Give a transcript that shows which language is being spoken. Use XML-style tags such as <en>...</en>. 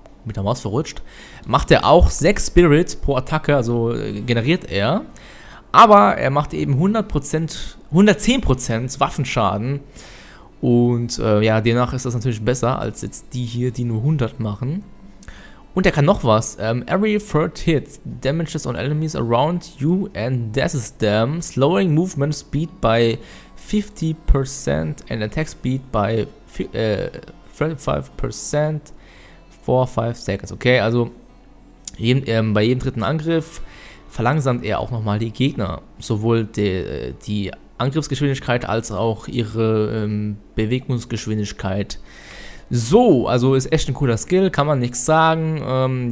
<de>Mit der Maus verrutscht, macht er auch 6 Spirit pro Attacke, also generiert er, aber er macht eben 100%, 110% Waffenschaden und ja, demnach ist das natürlich besser als jetzt die hier, die nur 100 machen. Und er kann noch was,</de> <en>every third hit damages on enemies around you and deaths them, slowing movement speed by 50% and attack speed by 35%. 4-5 Seconds, okay,</en> <de>also bei jedem dritten Angriff verlangsamt er auch nochmal die Gegner, sowohl die Angriffsgeschwindigkeit als auch ihre Bewegungsgeschwindigkeit. So, also ist echt ein cooler Skill, kann man nichts sagen.</de>